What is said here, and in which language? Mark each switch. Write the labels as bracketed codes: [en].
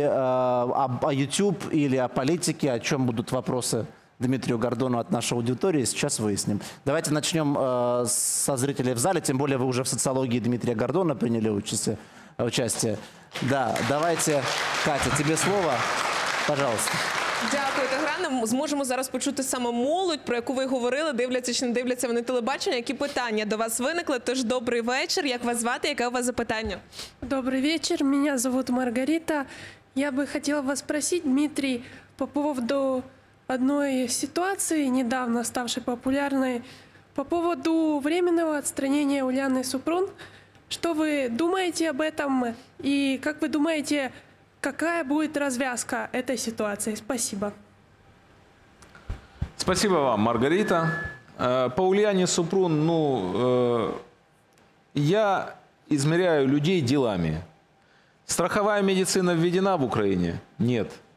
[ru] О YouTube или о политике, о чем будут вопросы Дмитрию Гордону от нашей аудитории, сейчас выясним. Давайте начнем со зрителей в зале, тем более вы уже в социологии Дмитрия Гордона приняли участие. Да, давайте, Катя, тебе слово, пожалуйста. [uk] Дякую, Тигран. Зможемо зараз почути саме молодь, про яку ви говорили, дивляться чи не дивляться вони телебачення, які питання до вас виникли. Тож добрий вечір. Як вас звати? Яке у вас запитання? Добрий вечір. Мене звати Маргарита. Я би хотіла вас спросити, Дмитрій, по поводу одної ситуації, [ru] недавно ставшей популярною, [uk] по поводу временного відсторонення Уляни Супрун. [ru] Что вы думаете об этом и как вы думаете, какая будет развязка этой ситуации? Спасибо. Спасибо вам, Маргарита. По Ульяне Супрун, я измеряю людей делами. Страховая медицина введена в Украине? Нет.